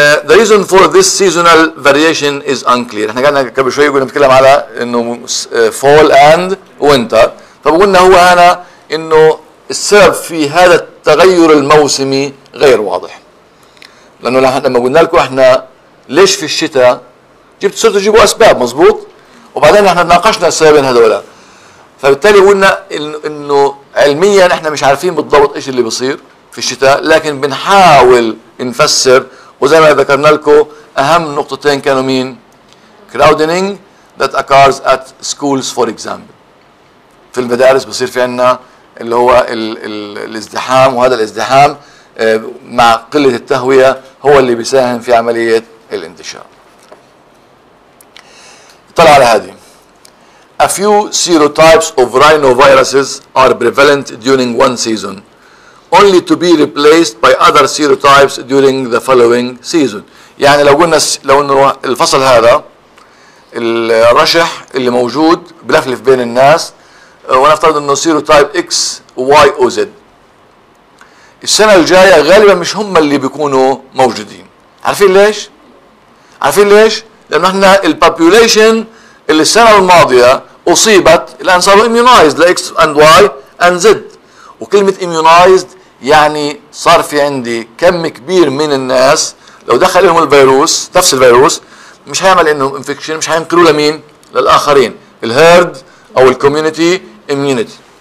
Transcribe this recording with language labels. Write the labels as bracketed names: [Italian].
[English] The reason for this seasonal variation is unclear. [Arabic] احنا قلنا قبل شوي كنا بنتكلم على انه fall and winter، فبقولنا هو انا انه السبب في هذا التغير الموسمي غير واضح. لأنه لما قلنا لكم احنا ليش في الشتاء جبت صرت تجيبوا أسباب مظبوط، وبعدين احنا ناقشنا السببين هذولا، فبالتالي قلنا انه علميا احنا مش عارفين بالضبط ايش اللي بيصير في الشتاء، لكن بنحاول نفسر. وزي ما ذكرنا لكم اهم نقطتين كانوا مين؟ crowding that occurs at schools for example، في المدارس بصير في عنا اللي هو الازدحام، وهذا الازدحام مع قلة التهوية هو اللي بيساهم في عملية الانتشار. طلع على هذه. [English] A few serotypes of rhinoviruses are prevalent during one season only to be replaced by other serotypes during the following season. [Arabic] يعني لو قلنا لو انه الفصل هذا الرشح اللي موجود بلفلف بين الناس، ونفترض انه سيروتايب اكس واي او زد، السنة الجاية غالبا مش هم اللي بيكونوا موجودين. عارفين ليش؟ عارفين ليش؟ لانه احنا البابوليشن اللي السنة الماضية اصيبت الان صاروا اميونايزد لاكس اند واي اند زد، وكلمة اميونايزد يعني صار في عندي كم كبير من الناس لو دخل لهم الفيروس نفس الفيروس مش هيعمل انهم انفكشن، مش هينقلوا لمين؟ للاخرين، الهيرد او الكوميونتي اميونيتي.